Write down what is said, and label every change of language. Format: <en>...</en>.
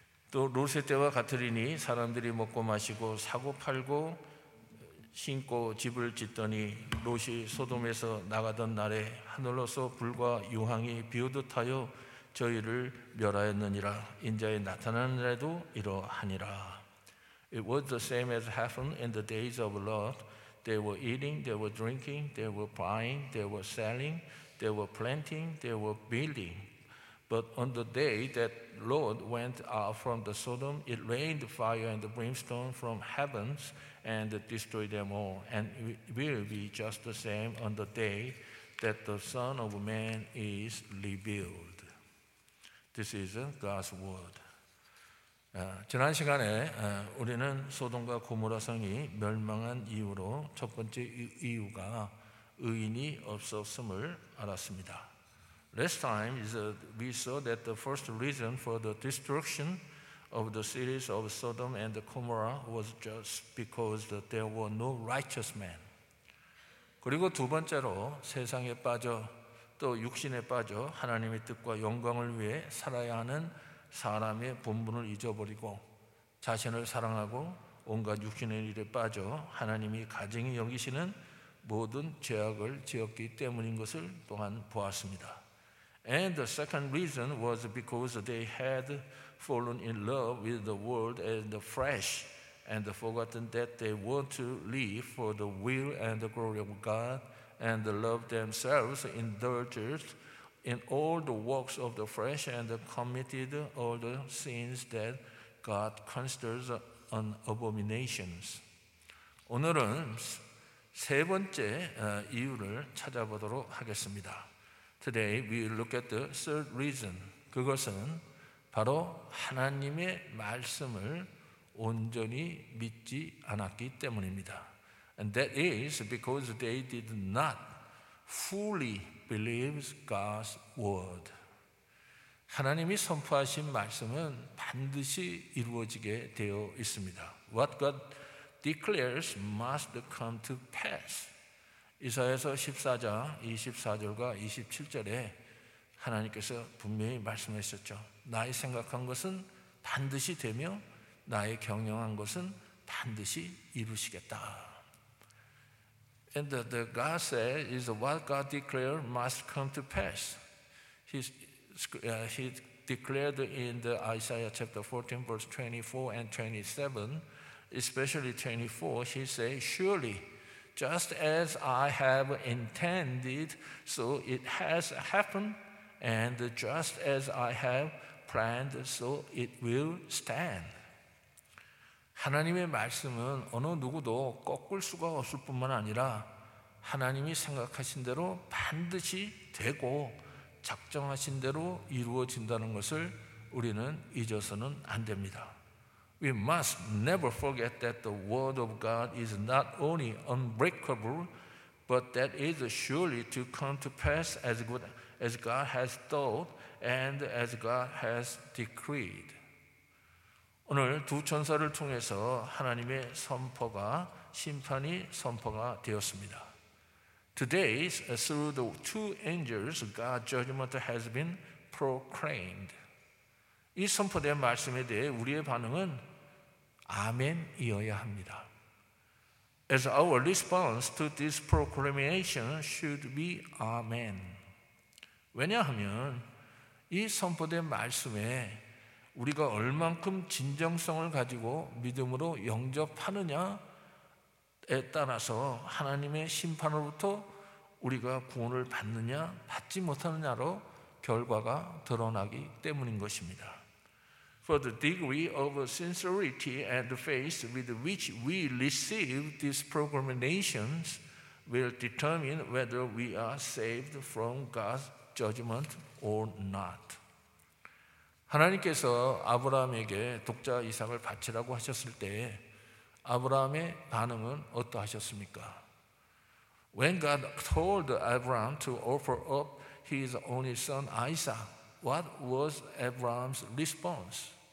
<ko>또 롯의 때와 같으리니 사람들이 먹고 마시고 사고 팔고 신고 집을 짓더니 롯이 소돔에서 나가던 날에 하늘로서 불과 유황이 비오듯 하여 저희를 멸하였느니라. 인자의 나타나는 날에도 이러하니라.</ko> <en>It was the same as happened in the days of Lot. They were eating, they were drinking, they were buying, they were selling, they were planting, they were building. But on the day that Lot went out from the Sodom, it rained fire and brimstone from heavens and destroyed them all. And it will be just the same on the day that the Son of Man is revealed. This is God's word.</en> <ko>지난 시간에 우리는 소돔과 고모라 성이 멸망한 이유로 첫 번째 이유가 의인이 없었음을 알았습니다.</ko> <en>Last time is we saw that the first reason for the destruction of the cities of Sodom and Gomorrah was just because there were no righteous men.</en> <ko>그리고 두 번째로 세상에 빠져 또 육신에 빠져 하나님의 뜻과 영광을 위해 살아야 하는 사람의 본분을 잊어버리고 자신을 사랑하고 온갖 육신의 일에 빠져 하나님이 가증히 여기시는 모든 죄악을 지었기 때문인 것을 또한 보았습니다.</ko> <en>And the second reason was because they had fallen in love with the world and the flesh and forgotten that they were to live for the will and the glory of God and love themselves indulged in all the works of the flesh and committed all the sins that God considers an abominations.</en> <ko>오늘은 세 번째 이유를 찾아보도록 하겠습니다.</ko> <en>Today we look at the third reason.</en> <ko>그것은 바로 하나님의 말씀을 온전히 믿지 않았기 때문입니다.</ko> <en>And that is because they did not fully believe God's word.</en> <ko>하나님이 선포하신 말씀은 반드시 이루어지게 되어 있습니다.</ko> <en>What God declares must come to pass.</en> <ko>이사야서 14장 24절과 27절에 하나님께서 분명히 말씀하셨죠. 나의 생각한 것은 반드시 되며 나의 경영한 것은 반드시 이루시겠다.</ko> <en>And the God said is what God declared must come to pass. He declared in the Isaiah chapter 14 verse 24 and 27, especially 24, he said, surely just as I have intended, so it has happened, and just as I have planned, so it will stand.</en> <ko>하나님의 말씀은 어느 누구도 꺾을 수가 없을 뿐만 아니라 하나님이 생각하신 대로 반드시 되고 작정하신 대로 이루어진다는 것을 우리는 잊어서는 안 됩니다.</ko> <en>We must never forget that the word of God is not only unbreakable, but that it is surely to come to pass as God has thought and as God has decreed.</en> <ko>오늘 두 천사를 통해서 하나님의 선포가 심판이 선포가 되었습니다.</ko> <en>Today, through the two angels, God's judgment has been proclaimed.</en> <ko>이 선포된 말씀에 대해 우리의 반응은 아멘이어야 합니다.</ko> <en>As our response to this proclamation should be amen.</en> <ko>왜냐하면 이 선포된 말씀에 우리가 얼만큼 진정성을 가지고 믿음으로 영접하느냐에 따라서 하나님의 심판으로부터 우리가 구원을 받느냐 받지 못하느냐로 결과가 드러나기 때문인 것입니다.</ko> <en>For the degree of sincerity and faith with which we receive these proclamations will determine whether we are saved from God's judgment or not.</en> <ko>하나님께서 아브라함에게 독자 이삭을 바치라고 하셨을 때 아브라함의 반응은 어떠하셨습니까?</ko> <en>When God told Abraham to offer up his only son Isaac. What was Abraham's response?</en>